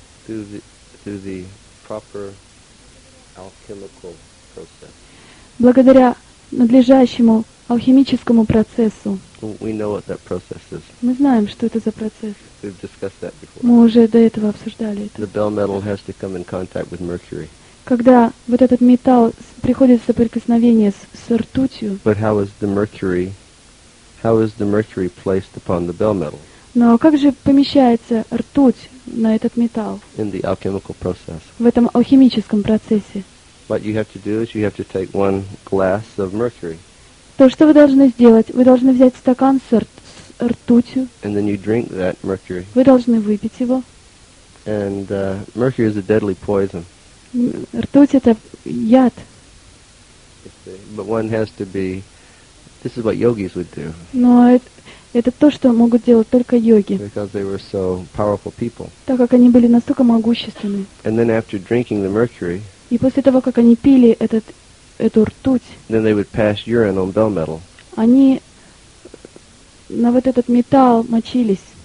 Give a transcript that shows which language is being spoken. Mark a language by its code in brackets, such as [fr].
[en] Through the proper alchemical process. [ru] Благодаря надлежащему алхимическому процессу. [en] We know what that process is. [ru] Мы знаем, что это за процесс. [en] We've discussed that before. [ru] Мы уже до этого обсуждали это. [en] The bell metal has to come in contact with mercury. [ru] Когда вот этот металл приходит в соприкосновение с ртутью. [en] But how is the mercury placed upon the bell metal? [ru] Но как же помещается ртуть на этот металл? [en] In the alchemical process. [ru] В этом алхимическом процессе. [en] What you have to do is you have to take one glass of mercury. [ru] То, что вы должны сделать, вы должны взять стакан с ртутью. [en] And then you drink that mercury. [ru] Вы должны выпить его. [en] And mercury is a deadly poison. [ru] Ртуть — это яд. [en] But one has to be. This is what yogis would do. [ru] Но это то, что могут делать только йоги. [en] Because they were so powerful people. [ru] Так как они были настолько могущественны. [en] And then after drinking the mercury. [ru] И после того, как они пили эту ртуть, [en] then they would pass urine on bell metal. [ru] Они на вот этот металл мочились.